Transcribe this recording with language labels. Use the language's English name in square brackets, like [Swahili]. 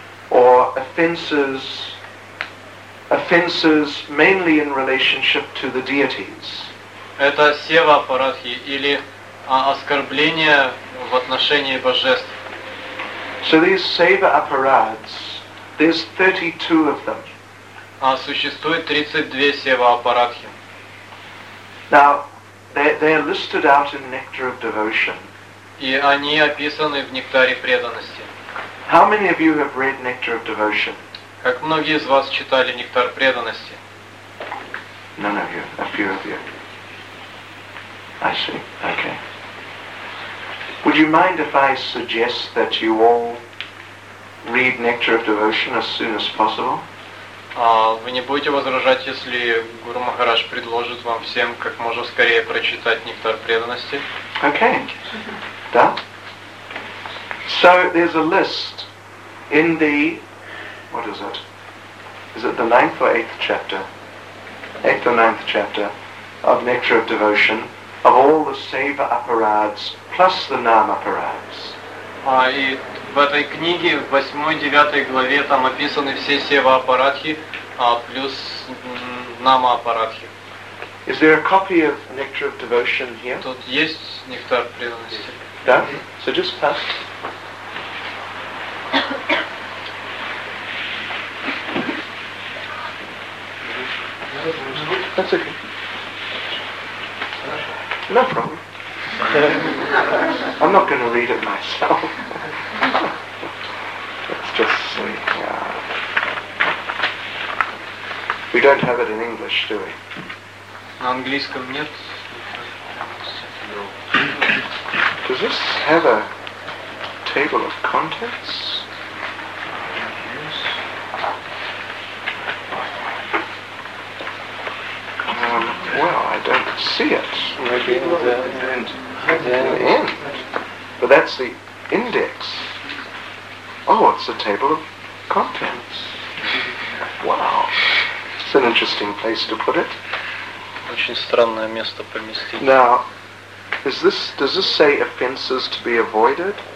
[English] Or offenses mainly in relationship to the deities. [Russian] Это сева апарадхи, или оскорбления в отношении божеств. [English] So these seva aparads, there's 32 of them. [Russian] Существует 32 сева апарадхи. [English] Now, they are listed out in Nectar of Devotion. [Russian] И они описаны в Нектаре преданности. [English] How many of you have read Nectar of Devotion? [Russian] Как многие из вас читали Нектар преданности? [English] None of you, a few of you. I see, okay. Would you mind if I suggest that you all read Nectar of Devotion as soon as possible? [Russian] Вы не будете возражать, если Гуру Махарадж предложит вам всем как можно скорее прочитать Нектар преданности? [English] Okay. Да? So there's a list in the, what is it? Is it the 9th or 8th chapter? 8th or 9th chapter of Nectar of Devotion of all the Seva Aparads plus the Nam Aparads. [Russian] И в этой книге, в 8-9 главе, там описаны все Сева Апарадхи плюс Нама Апарадхи. [English] Is there a copy of Nectar of Devotion here? [Russian] Тут есть Нектар преданности. [English] Да? So just pass. That's okay. No problem. I'm not going to read it myself. Let's just see. We don't have it in English, do we? [Russian] На английском нет. [English] Does this have a table of contents? I don't see it. Maybe in the end. But that's the index. Oh, it's a table of contents. Wow. It's an interesting place to put it. [Russian] Очень странное место поместить. [English] Now, does this say offenses to be avoided?